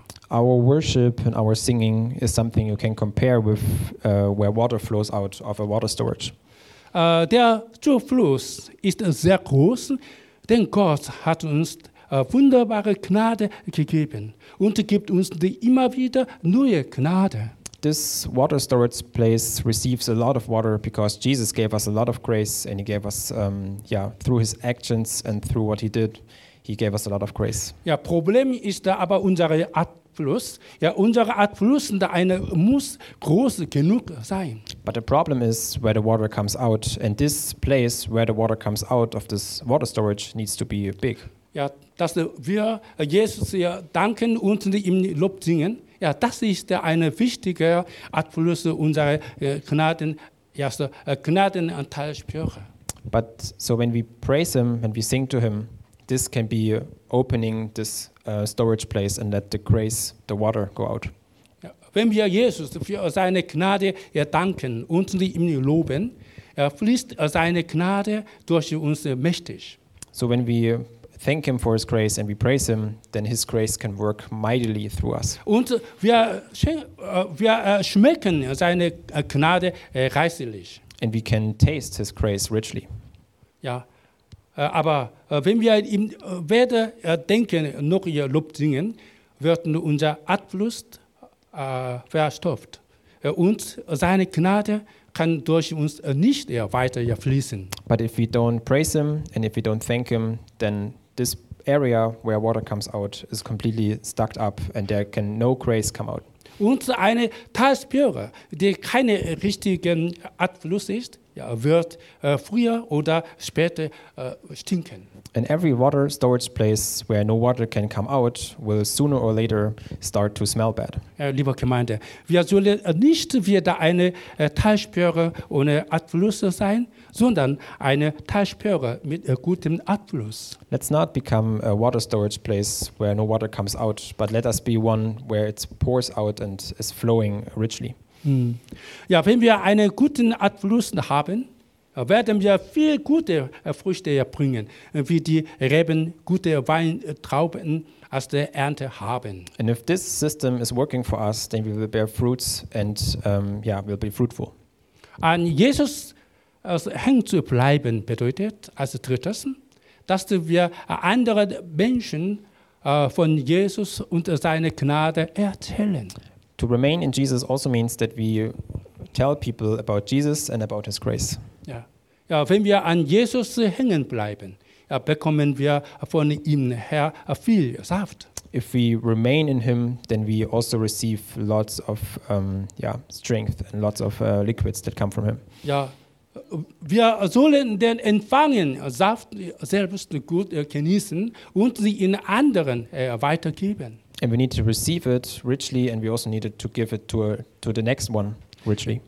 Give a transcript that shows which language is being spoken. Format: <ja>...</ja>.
<en>Our worship and our singing is something you can compare with where water flows out of a water storage.</en> <de>Der Zufluss ist sehr groß, denn Gott hat uns wunderbare Gnade gegeben und gibt uns immer wieder neue Gnade.</de> <en>This water storage place receives a lot of water because Jesus gave us a lot of grace and he gave us through his actions and through what he did. He gave us a lot of grace.</en> <de>Ja, Problem ist da aber unser Abfluss. Ja, unser Abfluss da eine muss groß genug sein.</de> <en>But the problem is where the water comes out, and this place where the water comes out of this water storage needs to be big.</en> <de>Ja, dass wir Jesus ja danken und ihm Lob singen. Ja, das ist da eine wichtige Abfluss unserer Gnaden, ja, so Gnadenanteil spüre.</de> <en>But so when we praise him, when we sing to him, this can be opening this storage place and let the grace, the water, go out.</en> <de>Wenn wir Jesus für seine Gnade danken und ihm loben, fließt seine Gnade durch uns mächtig.</de> <en>So when we thank him for his grace and we praise him, then his grace can work mightily through us.</en> <de>Und wir schmecken seine Gnade reichlich.</de> <en>And we can taste his grace richly.</en> <de>Ja. Aber wenn wir ihm weder denken noch ihr Lob singen, wird unser Abfluss verstopft. Und seine Gnade kann durch uns nicht weiter fließen.</de> <en>But if we don't praise him and if we don't thank him, then this area where water comes out is completely stuck up and there can no grace come out.</en> <de>Und eine Talsperre, die keine richtigen Abfluss ist, ja, wird früher oder später stinken.</de> <en>And every water storage place where no water can come out will sooner or later start to smell bad.</en> <de>Liebe Gemeinde, wir sollen nicht wieder eine Talsperre ohne Abfluss sein, sondern eine Talsperre mit gutem Abfluss.</de> <en>Let's not become a water storage place where no water comes out, but let us be one where it pours out and is flowing richly.</en> <de>Ja, wenn wir einen guten Abfluss haben, werden wir viel gute Früchte bringen, wie die Reben gute Weintrauben aus der Ernte haben.</de> <en>And if this system is working for us, then we will bear fruits and we'll be fruitful.</en> <de>An Jesus hängen zu bleiben bedeutet als drittes, dass wir andere Menschen von Jesus und seiner Gnade erzählen.</de> <en>To remain in Jesus also means that we tell people about Jesus and about his grace.</en> <de>Ja. Ja, wenn wir an Jesus hängen bleiben, ja, bekommen wir von ihm her viel Saft.</de> <en>If we remain in him, then we also receive lots of strength and lots of liquids that come from him.</en> <de>Ja. Wir sollen den empfangen Saft selbst gut genießen und sie in anderen weitergeben.</de> <en>And we need to receive it richly and we also need to give it to the next one richly.</en>